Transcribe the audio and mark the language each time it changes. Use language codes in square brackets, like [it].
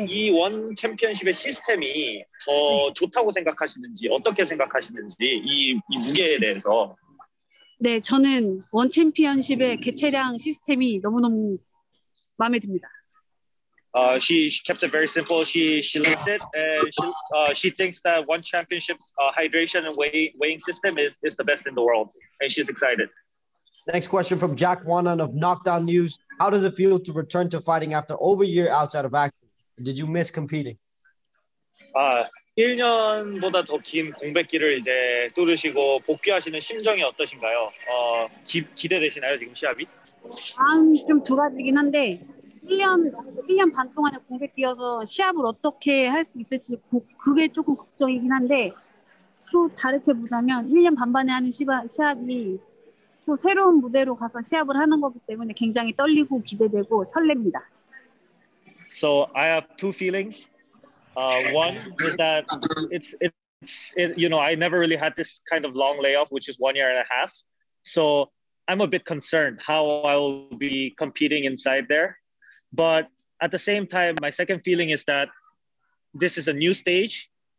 [ko] 이 원 챔피언십의 시스템이 더 좋다고 생각하시는지 어떻게 생각하시는지 이 무게에 대해서 네, 저는 원 챔피언십의 개체량 시스템이 너무너무 마음에 듭니다. [en] She kept it very simple. She likes it, and she thinks that one championship's hydration and weighing system is the best in the world, and she's excited. Next question from Jack Wanan of Knockdown News. How does it feel to return to fighting after over a year outside of action? Did you miss competing? [ko] 1년보다 더 긴 공백기를 이제 뚫으시고 복귀하시는 심정이 어떠신가요? 기대되시나요, 지금 시합이? 좀 두 가지긴 한데 1년 반 동안의 공백기여서 시합을 어떻게 할 수 있을지 그게 조금 걱정이긴 한데 또 다르게 보자면 1년 반반에 하는 시합이 또 새로운 무대로 가서 시합을 하는 거기 때문에 굉장히 떨리고 기대되고 설렙니다. [en] So I have two feelings. One is that it's you know, I never really had this kind of long layoff, which is 1.5 years. So I'm a bit concerned how I will be competing inside there. But at the same time, my second feeling is that this is a new stage.